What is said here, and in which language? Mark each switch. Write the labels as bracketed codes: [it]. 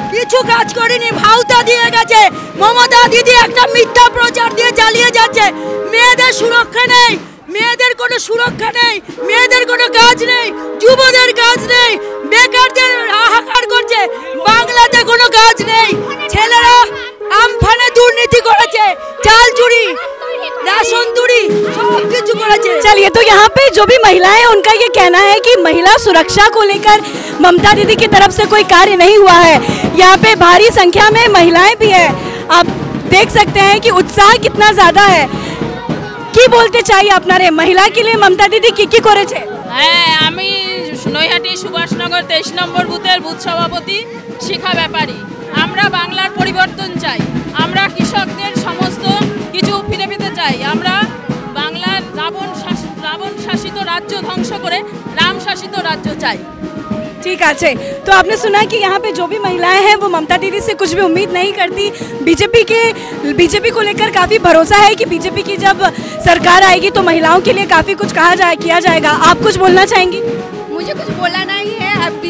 [bn] কিছু কাজ করেনি, ভাউতা দিয়ে গেছে, মমতা দিদি একটা মিথ্যা প্রচার দিয়ে চালিয়ে যাচ্ছে, মেয়েদের সুরক্ষা নেই, মেয়েদের কোনো সুরক্ষা নেই, মেয়েদের কোনো কাজ নেই, যুবদের কাজ নেই, বেকারদের হাহাকার করছে, বাংলাতে কোনো কাজ নেই, ছেলেরা আমফানে দুর্নীতি করেছে, চাল চুরি, রাশন চুরি, সবকিছু করেছে। [hi] চলিয়ে তো यहां पे जो भी महिलाएं, उनका ये कहना है कि महिला सुरक्षा को लेकर ममता दीदी की तरफ से कोई कार्य नहीं हुआ है। यहां पे भारी संख्या में महिलाएं भी है, आप देख सकते हैं कि उत्साह कितना ज्यादा है। [bn] কি বলতে চাই আপনারে মহিলা কে লিয়ে মমতা দিদি কি কি করেছে? হ্যাঁ, আমি নৈহাটি সুভাষনগর 23 নম্বর বুথের বুথ সভাপতি শিখা ব্যাপারী। আমরা বাংলার পরিবর্তন চাই, আমরা কৃষকদের সমস্ত কিছু ফিরে পেতে চাই, আমরা বাংলার রাবণ শাসিত রাজ্য ধ্বংস করে রাম শাসিত রাজ্য চাই। ঠিক আছে, তো আপনি শোনা কি [hi] यहां पे जो भी महिलाएं हैं वो মমতা দিদি से कुछ भी उम्मीद नहीं करती, बीजेपी के बीजेपी को लेकर काफी भरोसा है कि बीजेपी की जब सरकार आएगी तो महिलाओं के लिए काफी कुछ कहा जाए किया जाएगा। आप कुछ बोलना चाहेंगी? मुझे कुछ बोला नहीं है। अब